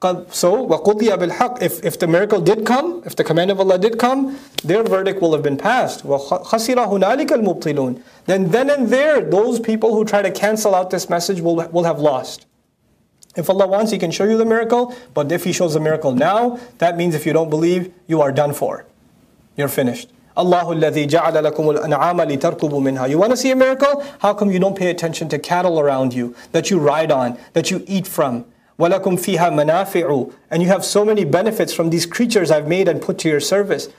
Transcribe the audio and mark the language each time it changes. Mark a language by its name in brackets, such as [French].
[English] So, [Arabic] وَقُضِيَ بِالْحَقِّ [English] if the miracle did come, if the command of Allah did come, their verdict will have been passed. [Arabic] وَخَسِرَ هُنَالِكَ الْمُبْطِلُونَ [English] Then and there, those people who try to cancel out this message will have lost. If Allah wants, He can show you the miracle, but if He shows the miracle now, that means if you don't believe, you are done for. You're finished. [Arabic] اللَّهُ الَّذِي جَعَلَ لَكُمُ الْأَنْعَامَ لِتَرْكُبُوا مِنْهَا [English] You want to see a miracle? How come you don't pay attention to cattle around you, that you ride on, that you eat from? [Arabic] وَلَكُمْ فِيهَا مَنَافِعُ [English] And you have so many benefits from these creatures I've made and put to your service.